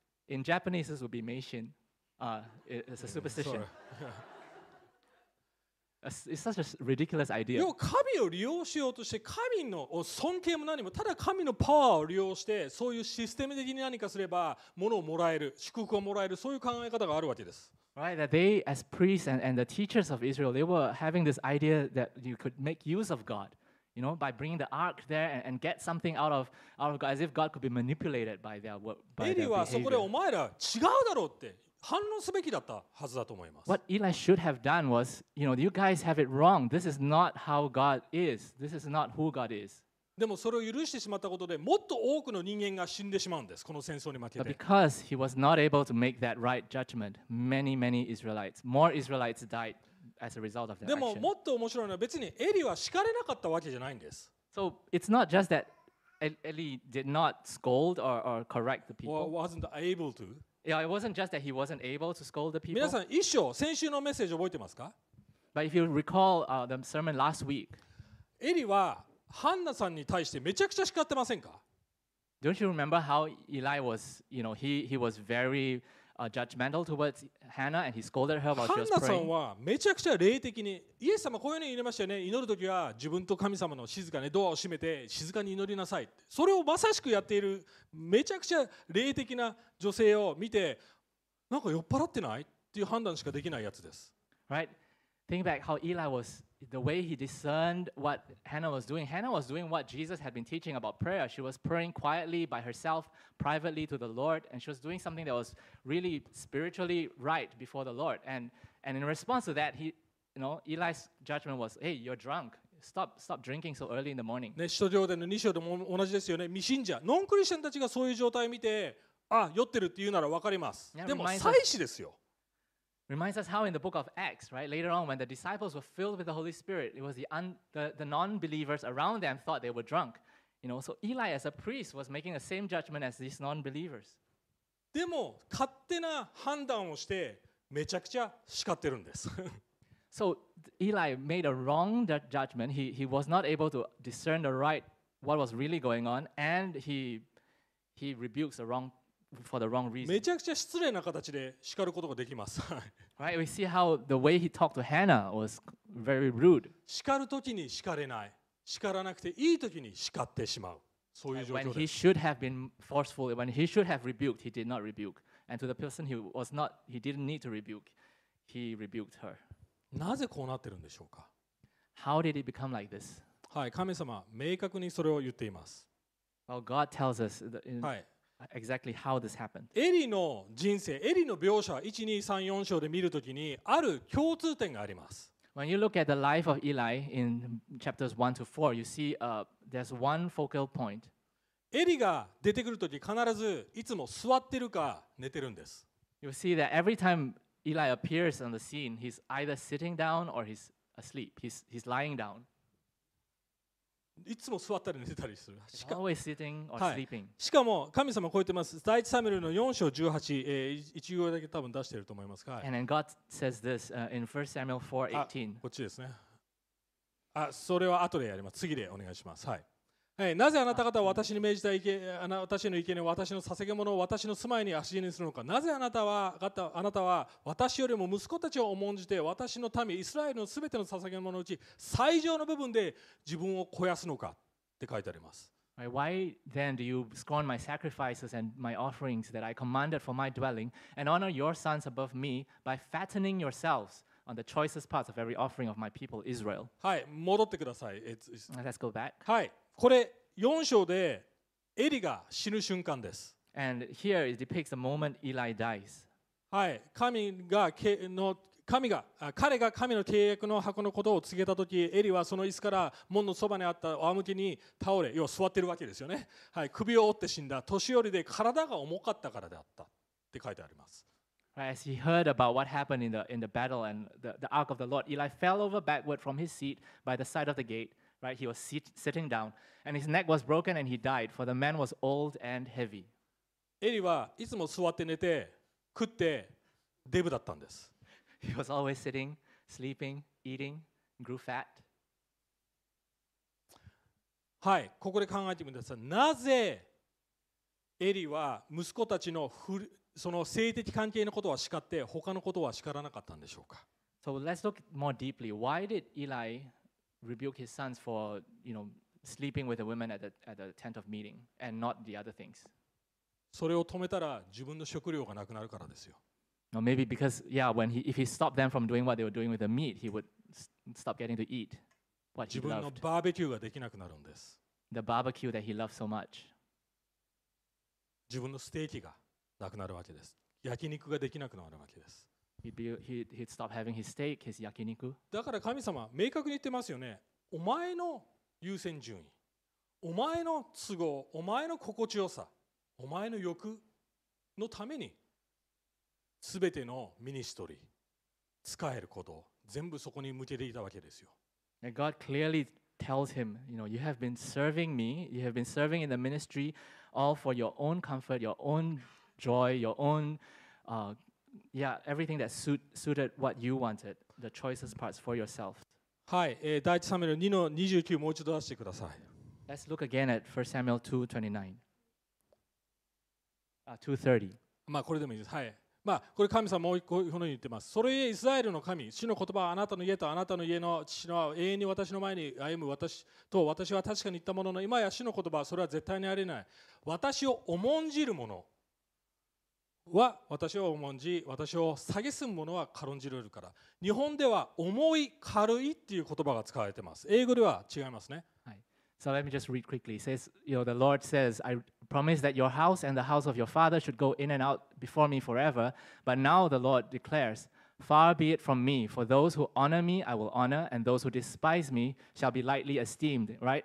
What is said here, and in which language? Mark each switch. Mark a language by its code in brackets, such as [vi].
[en] In Japanese, this would be meishin. It's a superstition. It's such a ridiculous idea. [ja] 要は神を利用しようとして神の尊敬も何もただ神のパワーを利用してそういうシステム的に何かすればものをもらえる祝福をもらえるそういう考え方があるわけです。 [en] Right, that they as priests and the teachers of Israel, they were having this idea that you could make use of God, you know, by bringing the ark there and get something out of God, as if God could be manipulated by their work. [ja] エリはそこでお前ら違うだろうって。反論すべきだったはずだと思います。 [en] What Eli should have done was, you know, you guys have it wrong. This is not how God is. This is not who God is. [ja] でもそれを許してしまったことでもっと多くの人間が死んでしまうんです。この戦争に負けて。 [en] But because he was not able to make that right judgment, many Israelites, more Israelites died as a result of that. [ja] でももっと面白いのは別にエリは叱れなかったわけじゃないんです。 [en] So it's not just that Eli did not scold or correct the people. Or wasn't able to. Yeah, it wasn't just that he wasn't able to scold the people. [ja] 皆さん、一章、先週のメッセージ覚えてますか? [en] But if you recall the sermon last week, [ja] エリはハンナさんに対してめちゃくちゃ叱ってませんか? [en] Don't you remember how Eli was, you know, he was very judgmental towards Hannah and he scolded her while she was praying? [ja] ハンナさんはめちゃくちゃ霊的に、イエス様こういうふうに言いましたよね。祈るときは自分と神様の静かにドアを閉めて静かに祈りなさい。それをまさしくやっているめちゃくちゃ霊的な女性を見て、なんか酔っ払ってないっていう判断しかできないやつです。 [en] Right? Think back how Eli was, the way he discerned what Hannah was doing. Hannah was doing what Jesus had been teaching about prayer. She was praying quietly by herself, privately to the Lord, and she was doing something that was really spiritually right before the Lord. And in response to that, he, you know, Eli's judgment was, hey, you're drunk. Stop drinking so early in the morning. [ja] ね、使徒行伝の2章でも同じですよね。未信者、ノンクリスチャンたちがそういう状態を見て、あ、酔ってるって言うならわかります。でも祭司ですよ。 [en] Reminds us how in the book of Acts, right? Later on, when the disciples were filled with the Holy Spirit, it was the non-believers around them thought they were drunk. You know, so Eli as a priest was making the same judgment as these non-believers. [ja] でも勝手な判断をしてめちゃくちゃ叱ってるんです。 [en] So Eli made a wrong judgment. He was not able to discern the right what was really going on, and he rebukes the wrong for the wrong reason. [ja] めちゃくちゃ失礼な形で叱ることができます。 [en] Right, we see how the way he talked to Hannah was very rude. [ja] 叱るときに叱れない、叱らなくていいときに叱ってしまう。そういう状況で。 [en] When he should have been forceful, when he should have rebuked, he did not rebuke. And to the person he didn't need to rebuke, he rebuked her. [ja] なぜこうなってるんでしょうか? [en] How did it become like this? [ja] はい、神様、明確にそれを言っています。 [en] Well, God tells us exactly how this happened. [ja] エリの人生、エリの描写、1、2、3、4章で見るときにある共通点があります。 [en] When you look at the life of Eli in chapters 1 to 4, you see there's one focal point. [ja] エリが出てくるとき、必ずいつも座ってるか寝てるんです。 [en] You see that every timeEli appears on the scene. He's either sitting down or he's asleep. He's lying down. [ja] いつも座ったり寝てたりする。 [en] He's always sitting or sleeping. [ja] しかも神様こう言ってます。第一サムエルの4章18、一行だけ多分出してると思いますか。 [en] And then God says this in 1 Samuel 4:18. [ja] こっちですね。あ、それは後でやります。次でお願いします。はい。なぜあなた方は私に命じた生け、私の生け、私の捧げ物を私の住まいに足にするのか。なぜあなたは私よりも息子たちを重んじて私の民イスラエルのすべての捧げ物のうち最上の部分で自分を肥やすのかって書いてあります。 [en] Why then do you scorn my sacrifices and my offerings that I commanded for my dwelling and honor your sons above me by fattening yourselves? On the choicest parts of every offering of my people Israel. [ja] はい、戻ってください。 [en] Let's go back. [ja] はい、これ4章でエリが死ぬ瞬間です。 [en] And here it depicts the moment Eli dies. [ja] はい、彼が神の契約の箱のことを告げたとき、エリはその椅子から門のそばにあった仰向けに倒れ、要は座ってるわけですよね。はい、首を折って死んだ。年寄りで体が重かったからであったって書いてあります。 [en] As he heard about what happened in the battle and the ark of the Lord, Eli fell over backward from his seat by the side of the gate. Right, he was sitting down, and his neck was broken, and he died. For the man was old and heavy. Eli was [ja] いつも座って寝て食ってデブだったんです。 [en] He was always sitting, sleeping, eating, grew fat. [ja] はい、ここで考えてみてください。なぜエリは息子たちのその性的関係のことは叱って他のことは叱らなかったんでしょうか。 [en] So let's look more deeply. Why did Eli rebuke his sons for, you know, sleeping with the women at the tent of meeting and not the other things? [ja] それを止めたら自分の食料がなくなるからですよ。 [en] No, maybe because, yeah, when he, if he stopped them from doing what they were doing with the meat, he would stop getting to eat what he loved. [ja] 自分のバーベキューができなくなるんです。 [en] The barbecue that he loved so much. [ja] 自分のステーキがなくなるわけです。焼肉ができなくなるわけです。 [en] He'd stop having his steak, his yakiniku. [ja] だから神様、明確に言ってますよね。お前の優先順位、お前の都合、お前の心地よさ、お前の欲のために、すべてのミニストリー、使えること、全部そこに向けていたわけですよ。 [en] And God clearly tells him, you know, you have been serving me, you have been serving in the ministry all for your own comfort, your own joy, your own, everything that suited what you wanted, the choicest parts for yourself. [ja] はい、第一サムエル2の29もう一度出してください。 [en] Let's look again at 1 Samuel 2:29. 2:30. [ja] まあこれでもいいです。はい。まあ、これ神様もこういうふうに言ってます。それイスラエルの神、主の言葉はあなたの家とあなたの家の父の永遠に私の前に歩む私と私は確かに言ったものの、今や主の言葉はそれは絶対にありえない。私を重んじる者は私を重んじ、私を蔑む者は軽んじるから。日本では重い、軽いっていう言葉が使われてます。英語では違いますね。 [en] So let me just read quickly. It says, you know, the Lord says, I promise that your house and the house of your father should go in and out before me forever. But now the Lord declares, far be it from me, for those who honor me, I will honor, and those who despise me shall be lightly esteemed. Right?